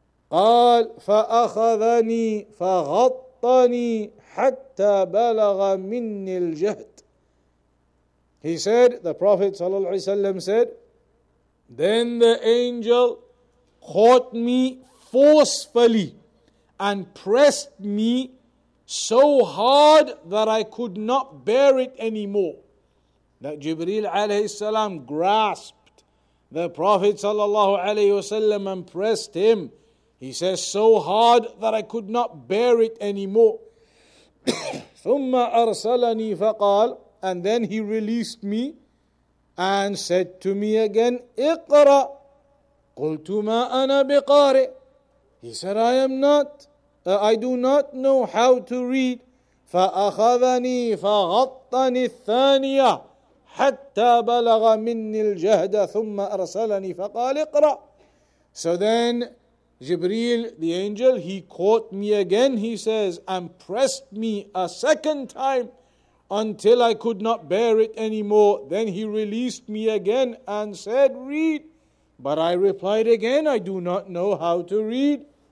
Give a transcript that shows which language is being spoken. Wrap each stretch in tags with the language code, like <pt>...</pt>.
<ar>قال فأخذني فغطني حتى بلغ مني الجهد.</ar> <en>He said, the Prophet ﷺ said, then the angel caught me forcefully and pressed me so hard that I could not bear it anymore. That Jibreel alayhi salam grasped the Prophet sallallahu alayhi wasallam and pressed him. He says, so hard that I could not bear it anymore.</en> <ar>ثم أرسلني فقال,</ar> <en>and then he released me and said to me again, اقرأ.</en> <ar>قلت ما أنا بقارئ.</ar> <en>He said, I do not know how to read.</en> <ar>فأخذني فغطني الثانية حتى بلغ مني الجهد ثم أرسلني فقال اقرأ.</ar> <en>So then Jibreel, the angel, he caught me again, he says, and pressed me a second time until I could not bear it anymore. Then he released me again and said, read. But I replied again, I do not know how to read.</en>